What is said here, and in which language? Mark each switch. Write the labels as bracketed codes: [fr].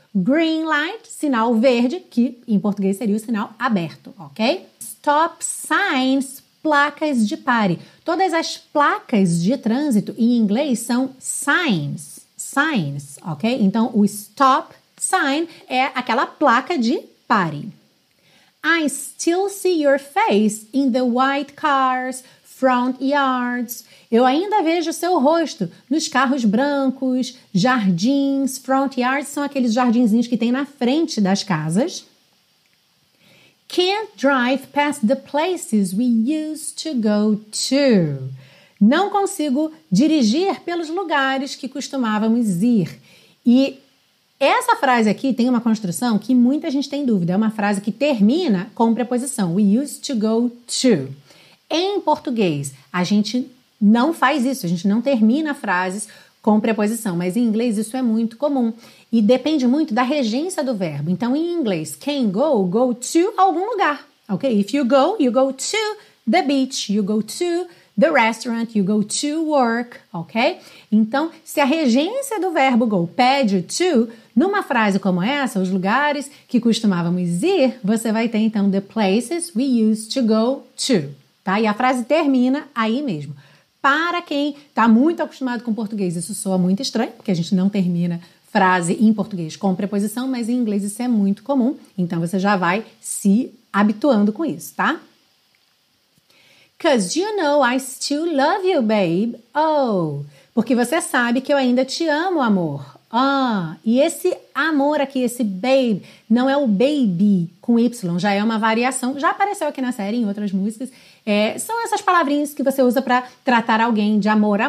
[pt] Green light, sinal verde, que em português seria o sinal aberto, ok? Stop signs, placas de pare. Todas as placas de trânsito em inglês são signs. Signs, ok? Então, o stop sign é aquela placa de pare. [en] I still see your face in the white cars, front yards. [pt] Eu ainda vejo seu rosto nos carros brancos, jardins, front yards, são aqueles jardinzinhos que tem na frente das casas. [en] Can't drive past the places we used to go to. [pt] Não consigo dirigir pelos lugares que costumávamos ir. E essa frase aqui tem uma construção que muita gente tem dúvida. É uma frase que termina com preposição. [en] We used to go to. [pt] Em português, a gente não faz isso. A gente não termina frases com preposição. Mas em inglês isso é muito comum. E depende muito da regência do verbo. Então, em inglês, can go, go to algum lugar. [en] Ok? If you go to the beach. You go to the restaurant, you go to work, ok? [pt] Então, se a regência do verbo go pede to, numa frase como essa, os lugares que costumávamos ir, você vai ter então [en] the places we used to go to, [pt] tá? E a frase termina aí mesmo. Para quem está muito acostumado com português, isso soa muito estranho, porque a gente não termina frase em português com preposição, mas em inglês isso é muito comum. Então, você já vai se habituando com isso, tá? [en] 'Cause you know I still love you, babe. [pt] Oh, porque você sabe que eu ainda te amo, amor. Ah, e esse amor aqui, esse babe, não é o baby com Y, já é uma variação. Já apareceu aqui na série, em outras músicas. É, são essas palavrinhas que você usa para tratar alguém de amor.